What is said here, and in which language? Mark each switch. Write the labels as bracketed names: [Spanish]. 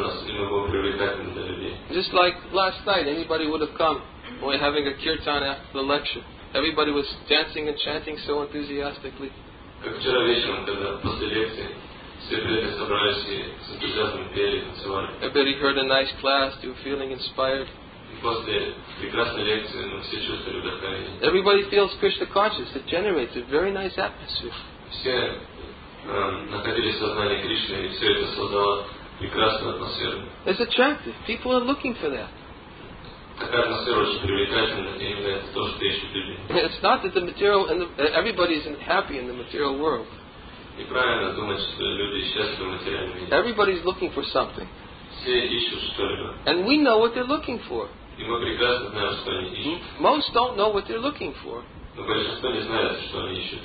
[English] Just like last night, anybody would have come when we're having a kirtan after the lecture. Everybody was dancing and chanting so enthusiastically. [Russian] Как вчера вечером, когда после лекции все прежде собрались и с энтузиазмом пели, танцевали. [English] Everybody heard a nice class, you were feeling inspired. [Russian] И после прекрасной лекции мы все чувствовали вдохновение. [English] Everybody feels Krishna conscious, it generates a very nice atmosphere. [Russian] Все находились в сознании Кришны, и все это создало прекрасную атмосферу. [English] It's attractive, people are looking for that. [Russian] Такая атмосфера очень привлекательна, и именно это то, что ищут люди. [English] It's not that the material and everybody isn't happy in the material world. [Russian] Неправильно думать, что люди счастливы в материальном мире. [English] Everybody's looking for something. [Russian] Все ищут что-либо. [English] And we know what they're looking for. [Russian] И мы прекрасно знаем, что они ищут. [English] Most don't know what they're looking for. [Russian] Но большинство не знает, что они ищут.